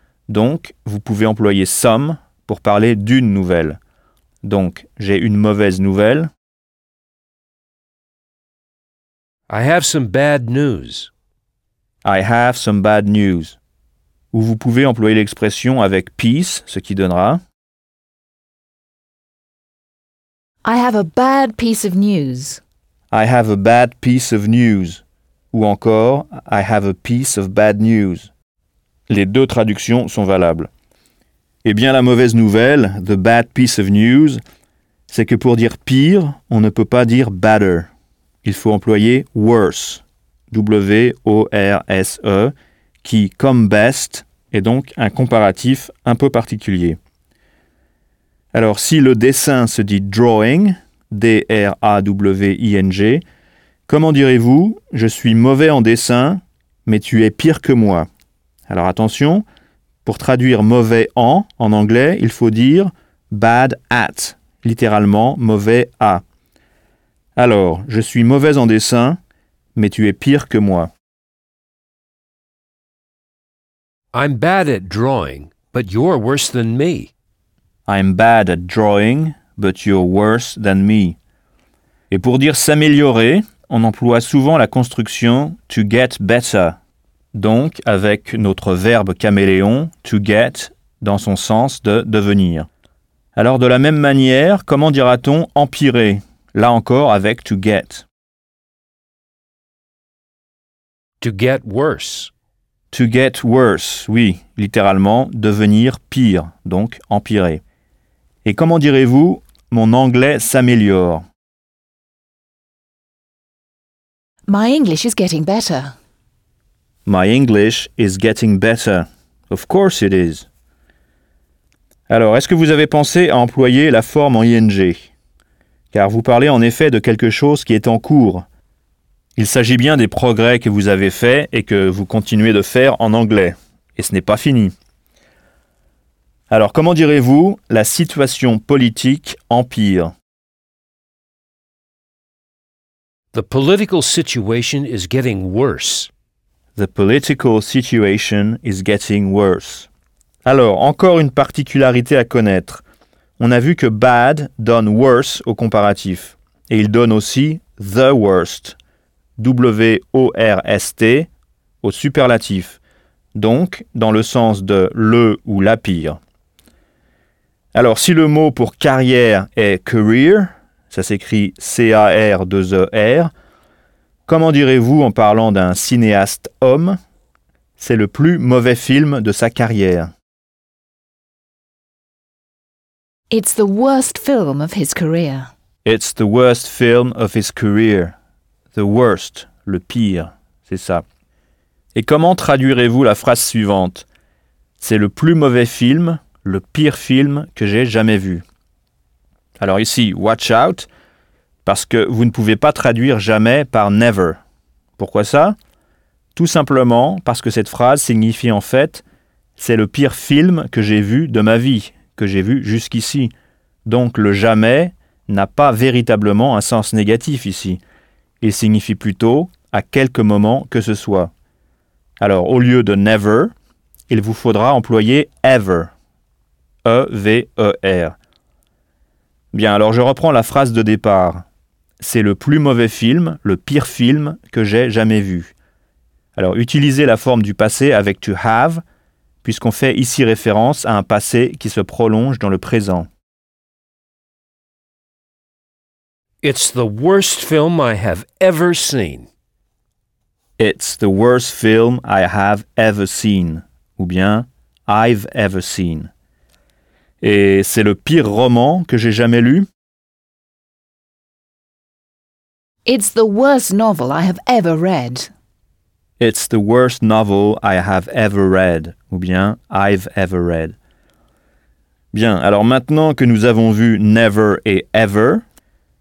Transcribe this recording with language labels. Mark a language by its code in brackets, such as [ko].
[fr] Donc, vous pouvez employer some pour parler d'une nouvelle. Donc, j'ai une mauvaise nouvelle. [en] I have some bad news. I have some bad news. [fr] Ou vous pouvez employer l'expression avec peace, ce qui donnera. [en] I have a bad piece of news. I have a bad piece of news. [fr] Ou encore, [en] I have a piece of bad news. [fr] Les deux traductions sont valables. Eh bien, la mauvaise nouvelle, [en] the bad piece of news, [fr] c'est que pour dire pire, on ne peut pas dire badder. Il faut employer worse, W-O-R-S-E, qui, comme best, est donc un comparatif un peu particulier. Alors, si le dessin se dit drawing, D-R-A-W-I-N-G, comment direz-vous « je suis mauvais en dessin, mais tu es pire que moi » Alors attention, pour traduire « mauvais en anglais, il faut dire « [en] bad at [fr] », littéralement « mauvais à ». Alors, « je suis mauvais en dessin, mais tu es pire que moi ». [en] I'm bad at drawing, but you're worse than me. I'm bad at drawing, but you're worse than me. [fr] Et pour dire s'améliorer, on emploie souvent la construction [en] to get better. [fr] Donc, avec notre verbe caméléon, to get, dans son sens de devenir. Alors, de la même manière, comment dira-t-on empirer? Là encore, avec to get. [en] To get worse. To get worse, [fr] oui, littéralement, devenir pire, donc empirer. Et comment direz-vous, mon anglais s'améliore? [en] My English is getting better. My English is getting better. Of course it is. [fr] Alors, est-ce que vous avez pensé à employer la forme en ing? Car vous parlez en effet de quelque chose qui est en cours. Il s'agit bien des progrès que vous avez faits et que vous continuez de faire en anglais. Et ce n'est pas fini. Alors, comment direz-vous « la situation politique empire » [en] The political situation is getting worse. The political situation is getting worse. [fr] Alors, encore une particularité à connaître. On a vu que « bad » donne « worse » au comparatif. Et il donne aussi « the worst ». W-O-R-S-T, au superlatif, donc dans le sens de le ou la pire. Alors, si le mot pour carrière est career, ça s'écrit C-A-R-2-E-R, comment direz-vous en parlant d'un cinéaste homme, c'est le plus mauvais film de sa carrière? [en] It's the worst film of his career. It's the worst film of his career. The worst, [fr] le pire, c'est ça. Et comment traduirez-vous la phrase suivante? C'est le plus mauvais film, le pire film que j'ai jamais vu. Alors ici, [en] watch out, [fr] parce que vous ne pouvez pas traduire jamais par never. Pourquoi ça? Tout simplement parce que cette phrase signifie en fait c'est le pire film que j'ai vu de ma vie, que j'ai vu jusqu'ici. Donc le jamais n'a pas véritablement un sens négatif ici. Il signifie plutôt « à quelque moment que ce soit ». Alors, au lieu de « never », il vous faudra employer « ever ». E-V-E-R. Bien, alors je reprends la phrase de départ. C'est le plus mauvais film, le pire film que j'ai jamais vu. Alors, utilisez la forme du passé avec « to have », puisqu'on fait ici référence à un passé qui se prolonge dans le présent. [en] It's the worst film I have ever seen. It's the worst film I have ever seen. [fr] Ou bien, [en] I've ever seen. [fr] Et c'est le pire roman que j'ai jamais lu? [en] It's the worst novel I have ever read. It's the worst novel I have ever read. [fr] Ou bien, [en] I've ever read. [fr] Bien, alors maintenant que nous avons vu « never » et « ever », c'est peut-être le moment de nous entraîner à les employer